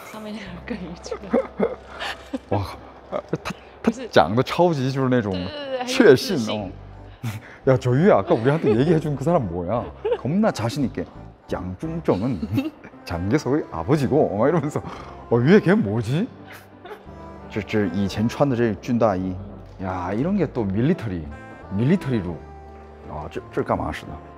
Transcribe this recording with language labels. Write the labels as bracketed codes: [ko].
[zh] 我们刚才有点很愚蠢。很愚蠢。对，上面那个更愚蠢。哇。他讲的超级就是那种确信哦。 [ko] 야, 저유 아까 우리한테 얘기해준 그 사람 뭐야? 겁나 자신 있게 장중정은 장계석의 아버지고 막 이러면서 위에 걔 뭐지? [zh] 这以前穿的这军大衣 야, [ko] 이런 게 또 밀리터리로 [zh] 아, 这 干嘛使的?